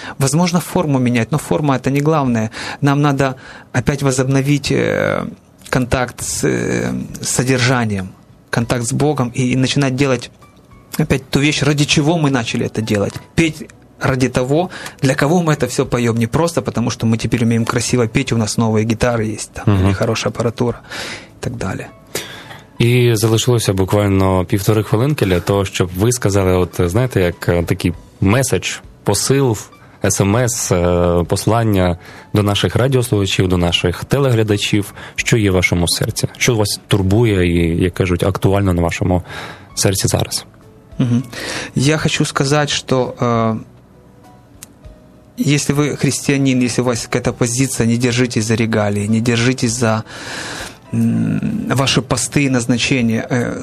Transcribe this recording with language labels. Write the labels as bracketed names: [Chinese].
[Russian] Возможно, форму менять, но форма – это не главное. Нам надо опять возобновить контакт с содержанием, контакт с Богом и начинать делать опять ту вещь, ради чего мы начали это делать. Петь ради того, для кого мы это все поем. Не просто потому, что мы теперь умеем красиво петь, у нас новые гитары есть, там, или хорошая аппаратура и так далее. [Ukrainian] І залишилося буквально півтори хвилинки для того, щоб ви сказали, от знаєте, як такий меседж, посил, смс, послання до наших радіослухачів, до наших телеглядачів, що є в вашому серці, що вас турбує і, як кажуть, актуально на вашому серці зараз. Я хочу сказати, що [Russian] Если вы христианин, если у вас какая-то позиция, не держитесь за регалии, не держитесь за ваши посты и назначения.